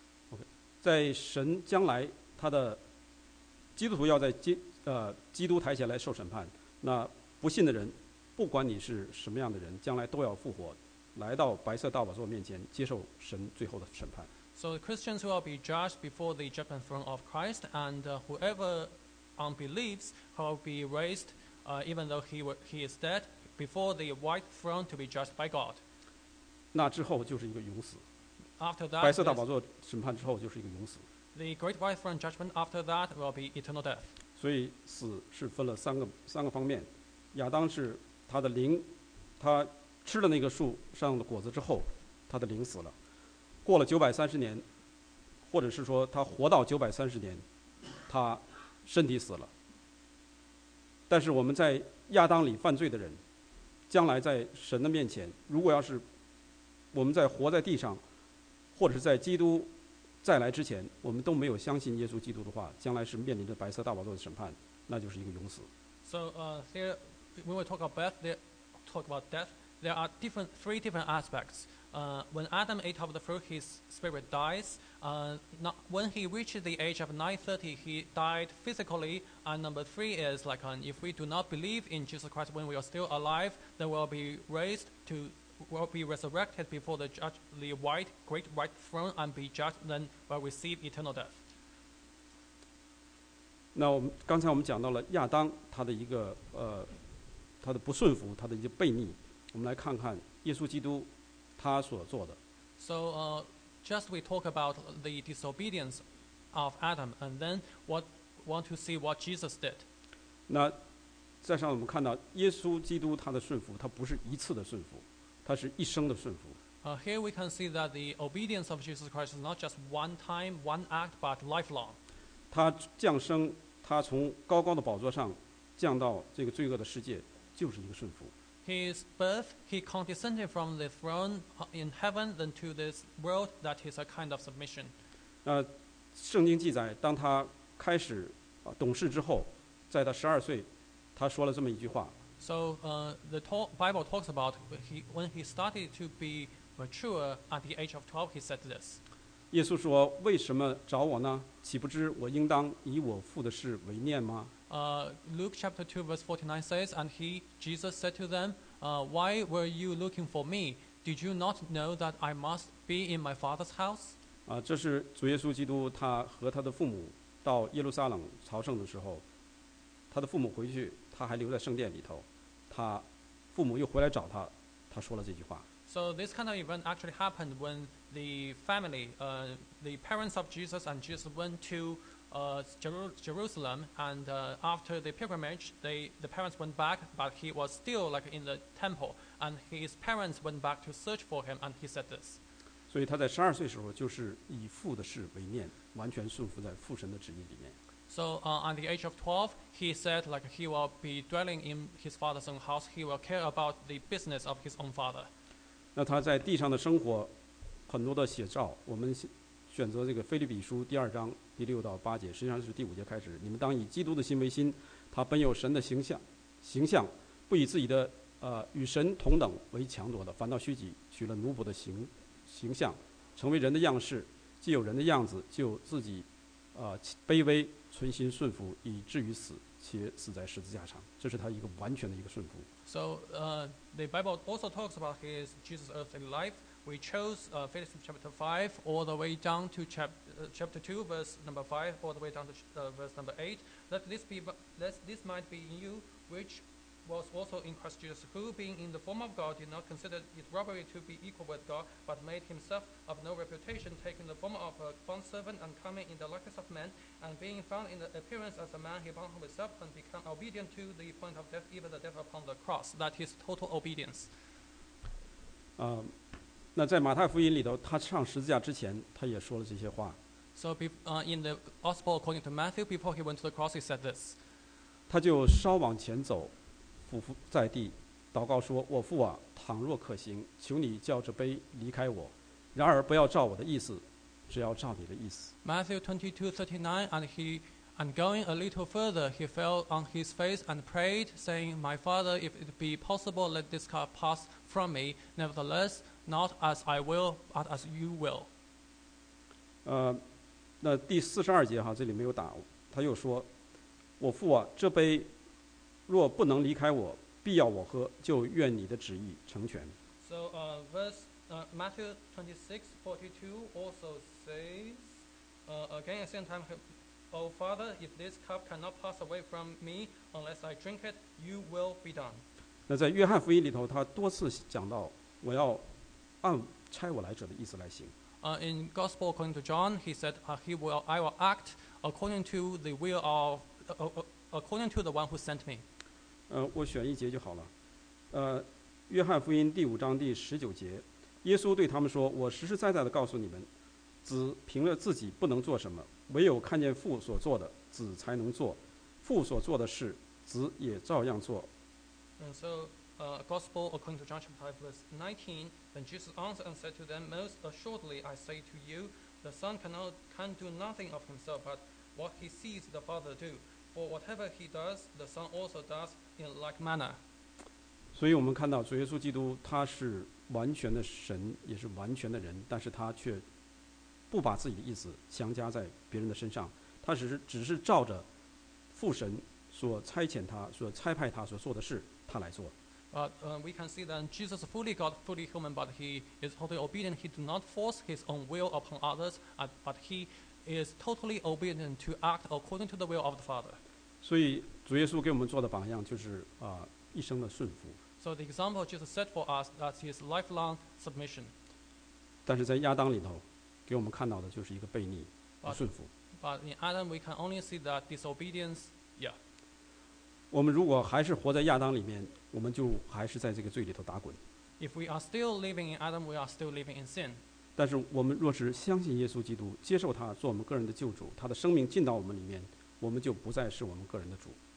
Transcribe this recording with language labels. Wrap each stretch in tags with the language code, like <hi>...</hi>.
<zh>OK， 在神将来他的基督徒要在基督台前来受审判，那不信的人，不管你是什么样的人，将来都要复活，来到白色大宝座面前接受神最后的审判。</zh> <en>So the Christians will be judged before the judgment throne of Christ, and whoever unbelieves will be raised, even though he is dead, before the white throne to be judged by God.</en> <zh>那之后就是一个永死。</zh> <en>After that,</en> <zh>白色大宝座审判之后就是一个永死。</zh> <en>The great white throne judgment after that will be eternal death.</en> <zh>所以死是分了三个方面，亚当是他的灵，他吃了那个树上的果子之后，他的灵死了。过了930年，或者是说他活到930年，他身体死了。但是我们在亚当里犯罪的人，将来在神的面前，如果要是我们在活在地上，或者是在基督再来之前，我们都没有相信耶稣基督的话，将来是面临着白色大宝座的审判，那就是一个永死。</zh> <en>So, when we talk about death. There are three different aspects. When Adam ate of the fruit, his spirit dies. When he reaches the age of 930, he died physically. And number three is like, if we do not believe in Jesus Christ when we are still alive, then we'll be raised to, we'll be resurrected before the judge, the white, great white throne and be judged, then we'll receive eternal death.</en> <zh>那我们刚才我们讲到了亚当他的一个他的不顺服，他的一个悖逆。我们来看看耶稣基督他所做的。</zh> <en>So, just we talk about the disobedience of Adam, and then what want to see what Jesus did.</en> <zh>那在上我们看到耶稣基督他的顺服，他不是一次的顺服，他是一生的顺服。</zh> <en>Here we can see that the obedience of Jesus Christ is not just one time, one act, but lifelong.</en> <zh>他降生，他从高高的宝座上降到这个罪恶的世界，就是一个顺服。</zh> <en>His birth, he condescended from the throne in heaven then to this world, that is a kind of submission.</en> <zh>圣经记载，当他开始懂事之后，在他12岁，他说了这么一句话。</zh> <en>So, Bible talks about when he started to be mature at the age of 12, he said this.</en> <zh>耶稣说，为什么找我呢？岂不知我应当以我父的事为念吗？</zh> <en>Luke chapter 2 verse 49 says, and he, Jesus said to them, why were you looking for me? Did you not know that I must be in my father's house?</en> <zh>这是主耶稣基督他和他的父母到耶路撒冷朝圣的时候，他的父母回去，他还留在圣殿里头，他父母又回来找他，他说了这句话。</zh> <en>So this kind of event actually happened when the family, the parents of Jesus and Jesus went to Jerusalem, and after the pilgrimage, the parents went back, but he was still like in the temple, and his parents went back to search for him, and he said this.</en> <zh>所以他在12岁时候就是以父的事为念，完全顺服在父神的旨意里面。</zh> <en>So at the age of 12, he said like he will be dwelling in his father's own house. He will care about the business of his own father.</en> <zh>那他在地上的生活，很多的写照，我们选择这个腓立比书第二章第6-8节，实际上是第5节开始。你们当以基督的心为心，他本有神的形象，不以自己的与神同等为强夺的，反倒虚己，取了奴仆的形象，成为人的样式，既有人的样子，就自己卑微，存心顺服，以至于死，且死在十字架上。这是他一个完全的一个顺服。</zh> <en>So, the Bible also talks about his Jesus earthly life. We chose Philippians chapter 5 all the way down to chapter 2 verse number 5 all the way down to verse number 8. Let this might be in you which was also in Christ Jesus, who, being in the form of God, did not consider it robbery to be equal with God, but made himself of no reputation, taking the form of a bondservant and coming in the likeness of men, and being found in the appearance as a man, he bound himself and became obedient to the point of death, even the death upon the cross. That is total obedience.</en> <zh>那在马太福音里头，他上十字架之前，他也说了这些话。</zh> <en>So in the Gospel according to Matthew, before he went to the cross, he said this.</en> <zh>他就稍往前走，俯伏在地，祷告说：“我父啊，倘若可行，求你叫这杯离开我。然而不要照我的意思，只要照你的意思。”</zh> <en>Matthew 22:39, and going a little further, he fell on his face and prayed, saying, "My Father, if it be possible, let this cup pass from me. Nevertheless, not as I will, but as you will."</en> <zh>那第四十二节哈，这里没有打，他又说：“我父啊，这杯若不能离开我，必要我喝，就愿你的旨意成全。”</zh> <en>So Matthew 26:42 also says, again at the same time, "O Father, if this cup cannot pass away from me unless I drink it, you will be done."</en> <zh>那在约翰福音里头，他多次讲到我要按差我来者的意思来行。</zh> <en>In Gospel according to John, he said, "I will act according to the will of according to the one who sent me."</en> <zh>我选一节就好了。约翰福音第五章第十九节，耶稣对他们说：“我实实在在的告诉你们，子凭了自己不能做什么，唯有看见父所做的，子才能做；父所做的事，子也照样做。”</zh> <en>And so, Gospel according to John chapter 5:19, then Jesus answered and said to them, "Most assuredly I say to you, the Son can do nothing of himself but what he sees the Father do. For whatever he does, the Son also does in like manner."</en> <zh>所以我们看到主耶稣基督他是完全的神，也是完全的人，但是他却不把自己的意思强加在别人的身上，他只是照着父神所差遣他、所差派他所做的事，他来做。</zh> <en>But we can see that Jesus fully God, fully human, but he is totally obedient. He did not force his own will upon others, but he is totally obedient to act according to the will of the Father.</en> <zh>所以主耶稣给我们做的榜样就是一生的顺服。</zh> <en>So the example Jesus set for us, that's his lifelong submission.</en> <zh>但是在亚当里头，给我们看到的就是一个悖逆、不顺服。</zh> <en>But in Adam, we can only see that disobedience. Yeah.</en> <zh>我们如果还是活在亚当里面，我们就还是在这个罪里头打滚。</zh> <en>If we are still living in Adam, we are still living in sin.</en> <zh>但是我们若是相信耶稣基督，接受他做我们个人的救主，他的生命进到我们里面，我们就不再是我们个人的主。</zh>